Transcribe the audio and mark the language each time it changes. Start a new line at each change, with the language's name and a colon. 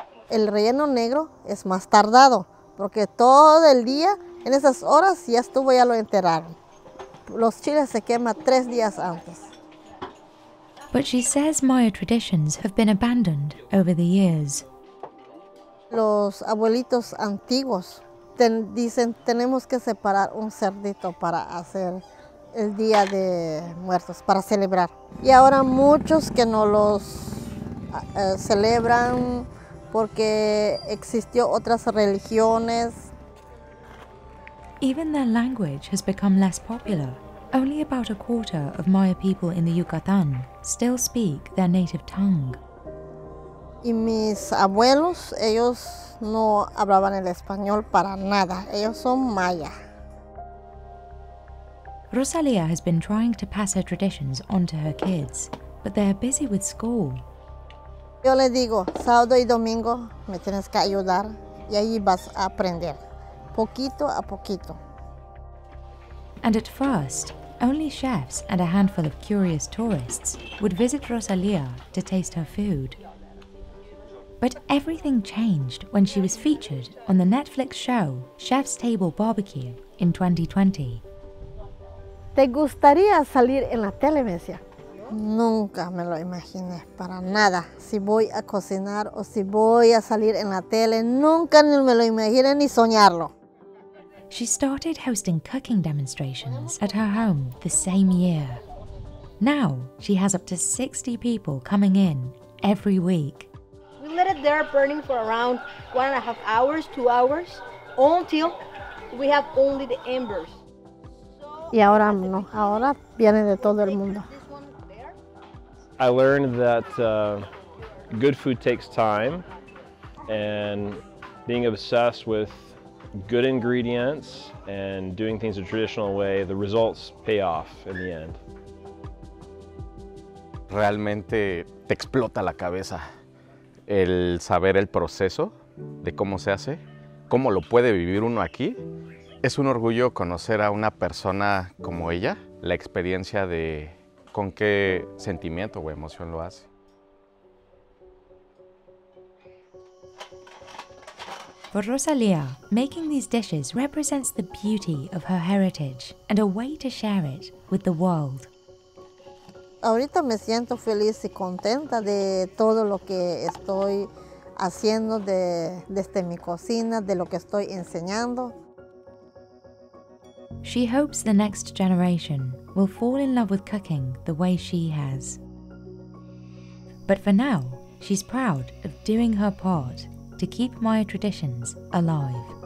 Spanish: El relleno negro es más tardado, porque todo el día, en esas horas, ya estuvo ya lo enterraron. Los chiles se queman 3 días antes.
English: But she says Maya traditions have been abandoned over the years.
Spanish: Los abuelitos antiguos dicen tenemos que separar un cerdito para hacer el Día de Muertos, para celebrar. Y ahora muchos que no los celebran porque existió otras religiones.
English: Even their language has become less popular. Only about a quarter of Maya people in the Yucatán still speak their native tongue.
Spanish: Y mis abuelos, ellos no hablaban el español para nada. Ellos son maya.
English: Rosalia has been trying to pass her traditions on to her kids, but they are busy with school.
Spanish: Yo le digo, sábado y domingo me tienes que ayudar y ahí vas a aprender, poquito a poquito.
English: And at first, only chefs and a handful of curious tourists would visit Rosalia to taste her food. But everything changed when she was featured on the Netflix show Chef's Table Barbecue in 2020.
Spanish: ¿Te gustaría salir en la tele, me decía? Nunca me lo imaginé, para nada. Si voy a cocinar o si voy a salir en la tele, nunca ni me lo imaginé ni soñarlo.
English: She started hosting cooking demonstrations at her home the same year. Now, she has up to 60 people coming in every week. We let it there burning for around 1.5 hours, 2 hours, until we have only the embers.
Spanish: Y ahora no, ahora viene de todo el mundo.
English: I learned that good food takes time, and being obsessed with good ingredients and doing things a traditional way, the results pay off in the end.
Spanish: Realmente te explota la cabeza el saber el proceso de cómo se hace, cómo lo puede vivir uno aquí. Es un orgullo conocer a una persona como ella, la experiencia de con qué sentimiento o emoción lo hace.
English: For Rosalia, making these dishes represents the beauty of her heritage and a way to share it with the world.
Spanish: Ahorita me siento feliz y contenta de todo lo que estoy haciendo desde mi cocina, de lo que estoy enseñando.
English: She hopes the next generation will fall in love with cooking the way she has. But for now, she's proud of doing her part to keep Maya traditions alive.